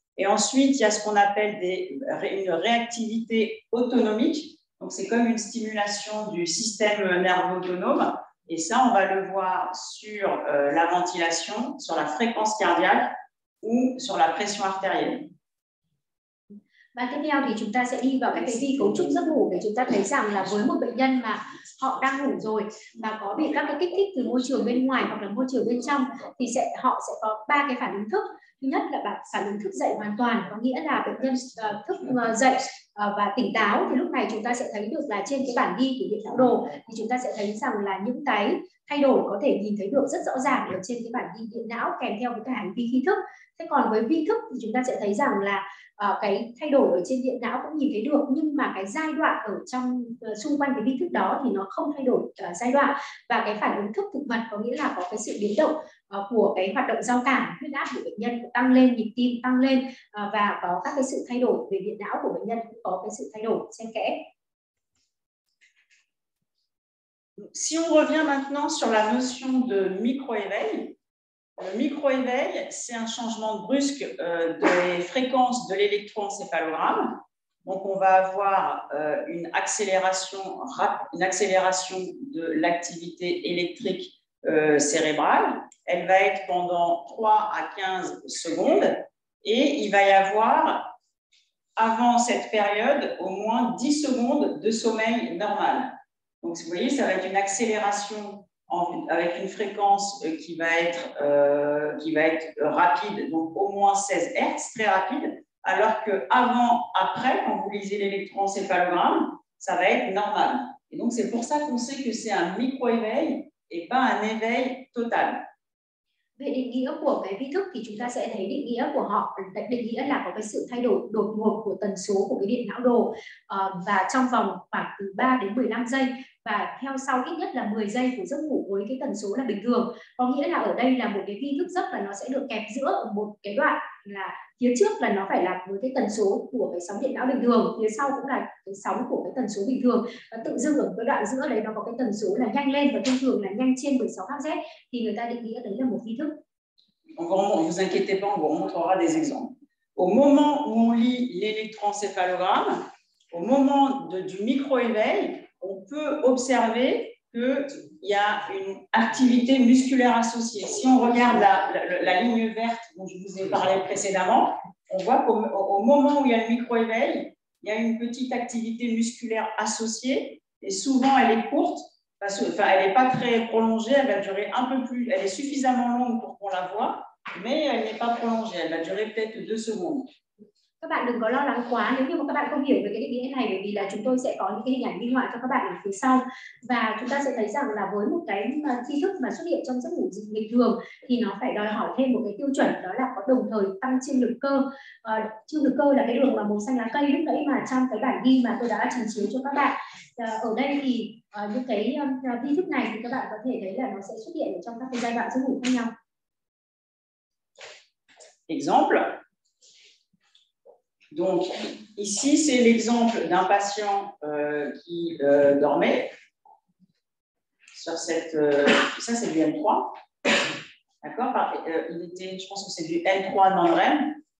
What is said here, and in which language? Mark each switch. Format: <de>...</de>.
<fr>Et ensuite, il y a ce qu'on appelle une réactivité autonomique. Donc, c'est comme une stimulation du système nerveux autonome. Et ça, on va le voir sur la ventilation, sur la fréquence cardiaque ou sur la pression artérielle.</fr> <vi>Và tiếp theo thì chúng ta sẽ đi vào cái vi cấu trúc giấc ngủ, để chúng ta thấy rằng là với một bệnh nhân mà họ đang ngủ rồi và có bị các cái kích thích từ môi trường bên ngoài hoặc là môi trường bên trong, thì họ sẽ có ba cái phản ứng thức. Thứ nhất là bạn phản ứng thức dậy hoàn toàn, có nghĩa là bệnh nhân thức dậy và tỉnh táo, thì lúc này chúng ta sẽ thấy được là trên cái bản ghi của điện não đồ thì chúng ta sẽ thấy rằng là những cái thay đổi có thể nhìn thấy được rất rõ ràng ở trên cái bản ghi điện não kèm theo với cả hành vi khi thức. Thế còn với vi thức thì chúng ta sẽ thấy rằng là cái thay đổi ở trên điện não cũng nhìn thấy được, nhưng mà cái giai đoạn ở trong xung quanh cái vi thức đó thì nó không thay đổi giai đoạn. Và cái phản ứng thức thực vật có nghĩa là có cái sự biến động của cái hoạt động giao cảm, huyết áp của bệnh nhân tăng lên, nhịp tim tăng lên, và có các cái sự thay đổi về điện não của bệnh nhân cũng có cái sự thay đổi xen kẽ.</vi> <fr>Si on revient maintenant sur la notion de micro-éveil, le micro-éveil, c'est un changement brusque des fréquences de l'électroencéphalogramme. Donc, on va avoir une accélération de l'activité électrique cérébrale. Elle va être pendant 3 à 15 secondes et il va y avoir, avant cette période, au moins 10 secondes de sommeil normal. Donc, vous voyez, ça va être une accélération avec une fréquence qui va être rapide, donc au moins 16 Hz, très rapide, alors qu'avant, après, quand vous lisez l'électroencéphalogramme, ça va être normal. Et donc, c'est pour ça qu'on sait que c'est un micro-éveil et pas un éveil total.</fr> <vi>Về định nghĩa của cái vi thức thì chúng ta sẽ thấy định nghĩa của họ, định nghĩa là có cái sự thay đổi đột ngột của tần số của cái điện não đồ và trong vòng khoảng từ 3 đến 15 giây và theo sau ít nhất là 10 giây của giấc ngủ với cái tần số là bình thường. Có nghĩa là ở đây là một cái vi thức giấc và nó sẽ được kẹp giữa một cái đoạn là phía trước là nó phải là với cái tần số của cái sóng điện não bình thường, phía sau cũng là cái sóng của cái tần số bình thường, và tự dưng ở cái đoạn giữa đấy nó có cái tần số là nhanh lên và thông thường là nhanh trên 16 Hz, thì người ta định nghĩa đấy là một vi thức.</vi> <fr>Donc vraiment, ne vous inquiétez pas, on vous montrera des exemples. Au moment où on lit l'électroencéphalogramme, au moment du micro-éveil, on peut observer qu'il y a une activité musculaire associée. Si on regarde la ligne verte dont je vous ai parlé précédemment, on voit qu'au moment où il y a le micro-éveil, il y a une petite activité musculaire associée, et souvent elle est courte, parce que, enfin, elle n'est pas très prolongée, elle va durer un peu plus, elle est suffisamment longue pour qu'on la voit, mais elle n'est pas prolongée, elle va durer peut-être 2 secondes.</fr> <vi>Các bạn đừng có lo lắng quá nếu như mà các bạn không hiểu về cái định nghĩa này, bởi vì là chúng tôi sẽ có những cái hình ảnh minh họa cho các bạn ở phía sau. Và chúng ta sẽ thấy rằng là với một cái vi thức mà xuất hiện trong giấc ngủ bình thường thì nó phải đòi hỏi thêm một cái tiêu chuẩn, đó là có đồng thời tăng trương lực cơ. Trương lực cơ là cái đường mà màu xanh lá cây lúc nãy mà trong cái bản ghi mà tôi đã trình chiếu cho các bạn. Ở đây thì những cái vi thức này thì các bạn có thể thấy là nó sẽ xuất hiện trong các cái giai đoạn giấc ngủ khác nhau.</vi> <fr>Exemple. Donc, ici, c'est l'exemple d'un patient qui dormait sur cette... ça, c'est du N3. D'accord, il était, je pense que c'est du N3 dans le REM.</fr>